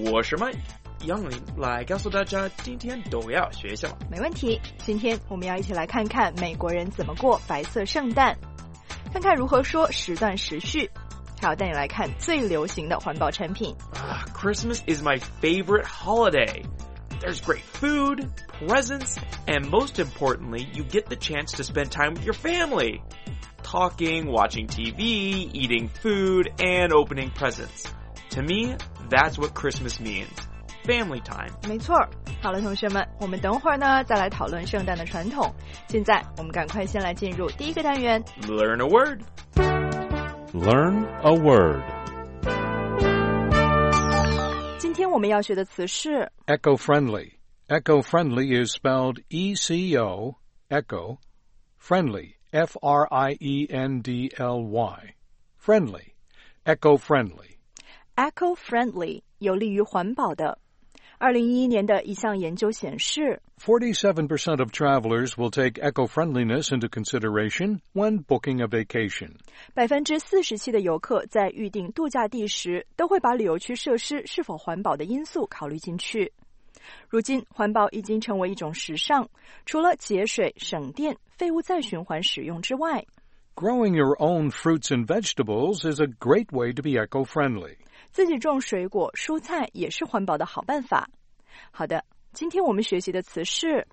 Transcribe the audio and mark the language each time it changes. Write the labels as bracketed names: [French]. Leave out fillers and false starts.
[Chinese] 我是麦杨林，来告诉大家今天都要学什么。没问题，今天我们要一起来看看美国人怎么过白色圣诞，看看如何说时断时续，还要带你来看最流行的环保产品。 [English] Christmas is my favorite holiday. There's great food, presents, and most importantly, you get the chance to spend time with your family. Talking, watching TV, eating food, and opening presents. To me, that's what Christmas means. Family time. [Chinese] 没错。好了，同学们，我们等会儿呢再来讨论圣诞的传统。现在我们赶快先来进入第一个单元。 [English] Learn a word. Learn a word. [Chinese] 今天我们要学的词是 [English] eco-friendly. Eco-friendly is spelled E-C-O, echo, friendly, F-R-I-E-N-D-L-Y. Friendly, eco-friendly. [Chinese] Eco-friendly, 有利于环保的。2011年的一项研究显示 [English] 47% of travelers will take eco-friendliness into consideration when booking a vacation. [Chinese] 47%的游客在预订度假地时都会把旅游区设施是否环保的因素考虑进去。如今环保已经成为一种时尚，除了节水、省电、废物再循环使用之外， [English] Growing your own fruits and vegetables is a great way to be eco-friendly. [Chinese] 自己种水果、蔬菜也是环保的好办法。好的，今天我们学习的词是